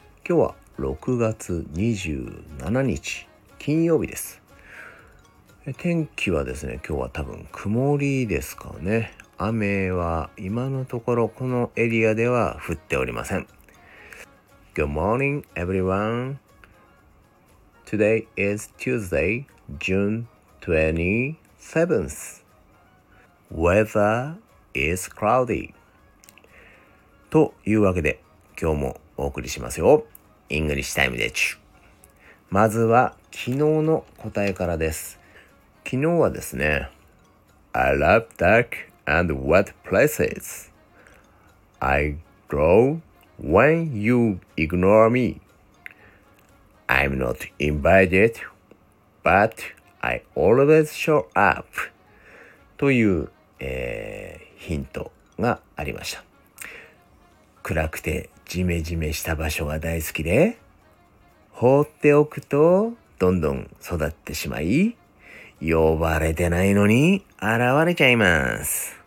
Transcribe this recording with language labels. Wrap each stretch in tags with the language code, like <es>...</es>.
<ja>今日は6月27日金曜日です。天気はですね、今日は多分曇りですかね。雨は今のところこのエリアでは降っておりません。</ja> <en>Good morning everyone. Today is Tuesday, June 27th. Weather is cloudy.</en> <ja>というわけで今日もお送りしますよ。 English Time でちゅ。まずは昨日の答えからです。昨日はですね、</ja> <en>I love duck and wet places. I grow when you ignore me. I'm not invited, but I always show up.</en> <ja>という、ヒントがありました。暗くてジメジメした場所が大好きで、放っておくとどんどん育ってしまい、呼ばれてないのに現れちゃいます。</ja>